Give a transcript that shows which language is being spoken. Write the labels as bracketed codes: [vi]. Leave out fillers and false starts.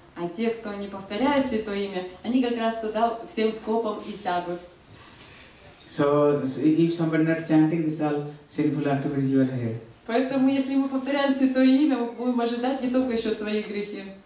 [ru] А те, кто не повторяет святое имя, они как раз туда всем скопом и сядут. [en] So if somebody not chanting this all sinful activities, you are here. [ru] Поэтому, если мы повторяем святое имя, мы будем ожидать не только еще свои грехи.